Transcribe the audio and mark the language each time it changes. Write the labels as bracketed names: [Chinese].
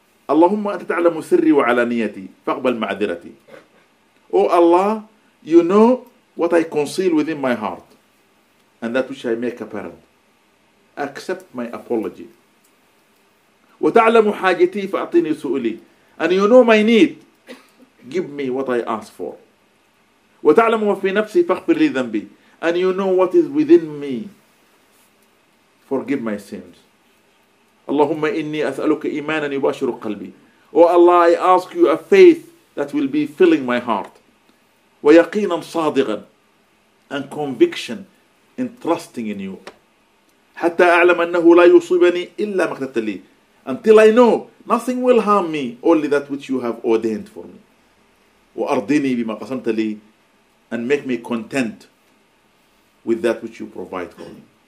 [Arabic] اللهم أنت تعلم سري وعلانيتي فاقبل معذرتي. [English] Oh Allah, you know what I conceal within my heart and that which I make apparent. Accept my apology. [Arabic] وتعلم حاجتي فأعطيني سؤلي. [English] And you know my need. Give me what I ask for. [Arabic] وتعلم وفي نفسي فاغفر لي ذنبي. [English] And you know what is within me. Forgive my sins. [Arabic] اللهم إني أسألك إيمانا يباشر قلبي. [English] Oh Allah, I ask you a faith that will be filling my heart. [Arabic] ويقينا صادقا. [English] And conviction in trusting in you. [Arabic] حتى أعلم أنه لا يصيبني إلا ما اقتدت لي. [English] Until I know nothing will harm me, only that which you have ordained for me. [Arabic] وأرضني بما قسمت لي. [English] And make me content with that which you provide for me.